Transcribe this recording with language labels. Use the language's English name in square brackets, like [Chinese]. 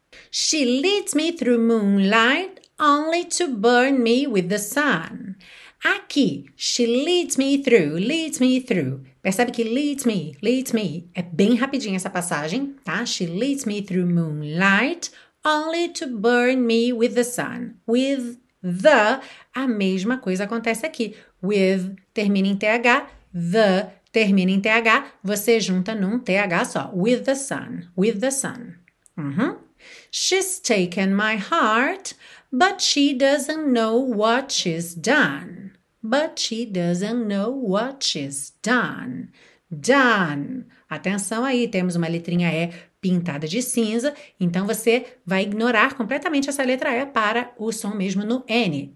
[English] She leads me through moonlight, only to burn me with the sun. Aqui, she leads me through. [Portuguese] Percebe que leads me, é bem rapidinho essa passagem, tá? [English] She leads me through moonlight, only to burn me with the sun. [Portuguese] With the, a mesma coisa acontece aqui. With termina em TH, the. Termina em TH, você junta num TH só. [English] With the sun, with the sun. She's taken my heart, but she doesn't know what she's done. But she doesn't know what she's done. Done. [Portuguese] Atenção aí, temos uma letrinha E pintada de cinza, então você vai ignorar completamente essa letra E para o som mesmo no N.